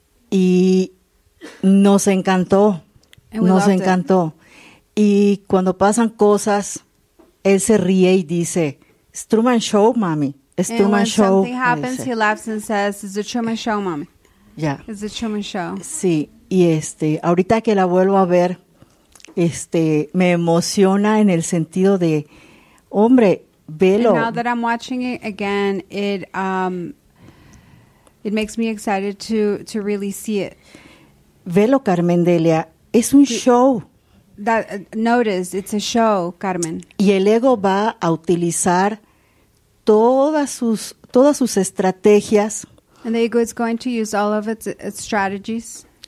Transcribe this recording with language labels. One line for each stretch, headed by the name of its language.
Spanish: Y nos encantó, nos encantó. Y cuando pasan cosas, él se ríe y dice,
English: "It's Truman Show, mami. It's Truman Show." And when something happens, he laughs and says, "It's the Truman Show, mami." Yeah. It's the Truman Show.
Spanish: Sí. Y ahorita que la vuelvo a ver, me emociona en el sentido de, hombre, velo.
English: And now that I'm watching it again, it makes me excited to really see it.
Spanish: Velo, Carmen Delia. Es un show.
English: Notice, it's a show, Carmen.
Spanish: Y el ego va a utilizar todas sus estrategias.
English: And the ego is going to use all of its strategies.